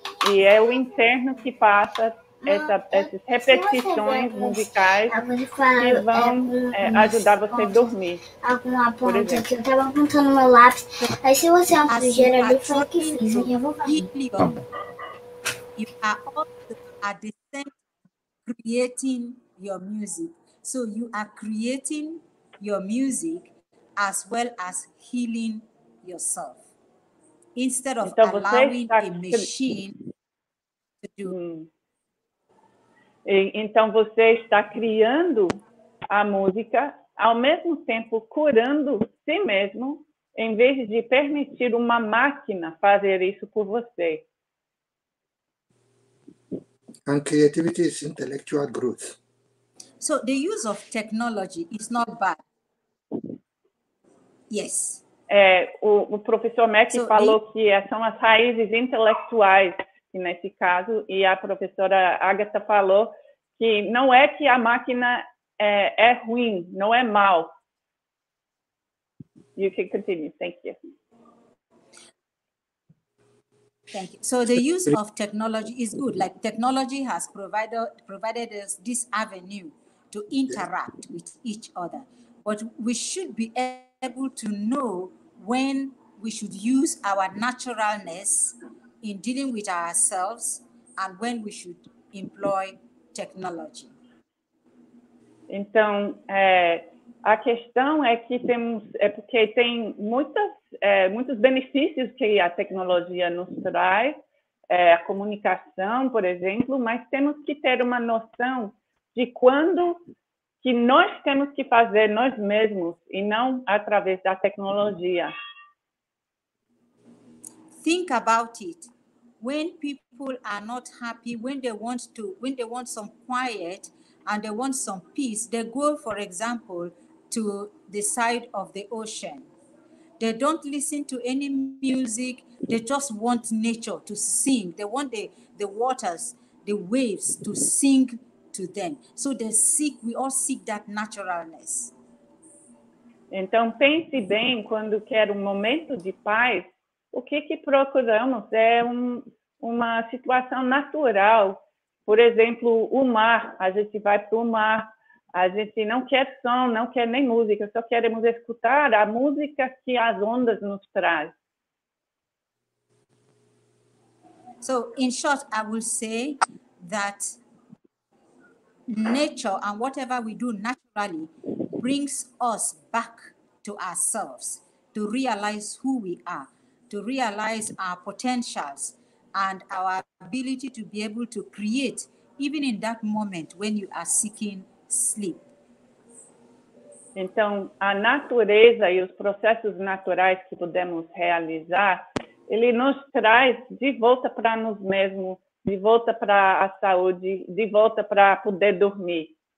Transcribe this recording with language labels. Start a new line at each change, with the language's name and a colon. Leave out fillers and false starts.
Portuguese: E é o interno que passa essas repetições musicais que vão ajudar você a dormir. Alguma ponte aqui, eu estava apontando meu lápis. Aí se você é uma sujeira, eu falo que fiz, eu já vou fazer.
English: You are also at the same time creating your music. So you are creating your music as well as healing yourself. Instead of allowing a machine to do.
Portuguese: Então você está criando a música ao mesmo tempo curando si mesmo, em vez de permitir uma máquina fazer isso por você.
English: And creativity is intellectual growth. So the use of technology is not bad. Yes.
Portuguese: O professor Mack falou que são as raízes intelectuais que nesse caso, e a professora Agatha falou que não é que a máquina é ruim, não é mal.
English: You can continue. Thank you. Thank you. So the use of technology is good. Like technology has provided us this avenue to interact with each other. But we should be able to know when we should use our naturalness in dealing with ourselves and when we should employ technology.
Portuguese: Então, a questão é que temos, porque tem muitos benefícios que a tecnologia nos traz, a comunicação, por exemplo, mas temos que ter uma noção de quando que nós temos que fazer nós mesmos e não através da tecnologia.
English: Think about it. When people are not happy, when they want some quiet and they want some peace, they go, for example, to the side of the ocean. They don't listen to any music. They just want nature to sing. They want the waters, the waves to sing to them. So they seek, we all seek that naturalness.
Portuguese: Então, pense bem quando quer momento de paz. O que procuramos é uma situação natural. Por exemplo, o mar. A gente vai para o mar. A gente não quer som, não quer nem música. Só queremos escutar a música que as ondas nos traz.
English: So, in short, I will say that nature and whatever we do naturally brings us back to ourselves to realize who we are. To realize our potentials and our ability to be able to create, even in that moment when you are seeking sleep.
Portuguese: Então, a natureza e os processos naturais que podemos realizar, ele nos traz de volta para nós mesmos, de volta para a saúde, de volta para poder dormir.